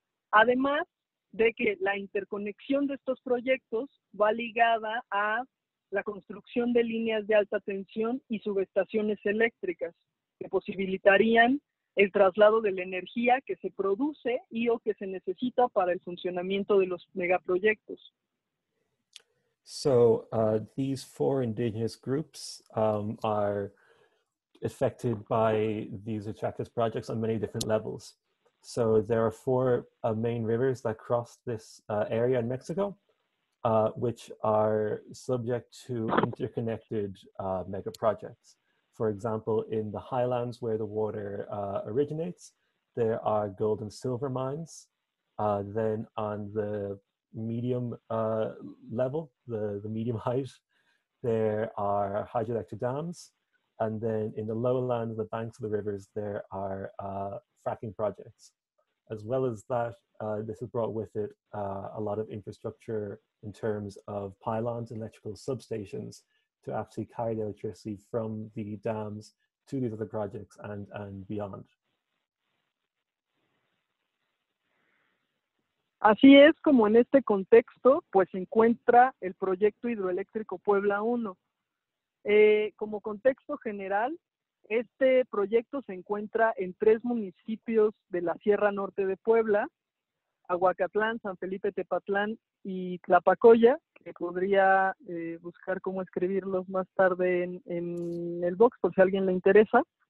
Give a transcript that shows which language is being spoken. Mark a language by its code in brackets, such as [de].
[es] Además de que la interconexión de estos proyectos va ligada a la construcción de líneas de alta tensión y subestaciones eléctricas que posibilitarían el traslado de la energía que se produce y o que se necesita para el funcionamiento de los megaproyectos. [en] So these 4 indigenous groups are affected by these extractive projects on many different levels. So there are 4 main rivers that cross this area in Mexico, which are subject to interconnected mega projects. For example, in the highlands where the water originates, there are gold and silver mines. Then on the medium level, the medium height, there are hydroelectric dams. And then in the lowlands, the banks of the rivers, there are fracking projects. As well as that, this has brought with it a lot of infrastructure in terms of pylons and electrical substations to actually carry the electricity from the dams to these other projects and beyond. [es] Así es como en este contexto pues se encuentra el proyecto hidroeléctrico Puebla 1. Como contexto general, este proyecto se encuentra en 3 municipios de la Sierra Norte de Puebla: Aguacatlán, San Felipe Tepatlán y Tlapacoya, que podría buscar cómo escribirlos más tarde en el box por si a alguien le interesa.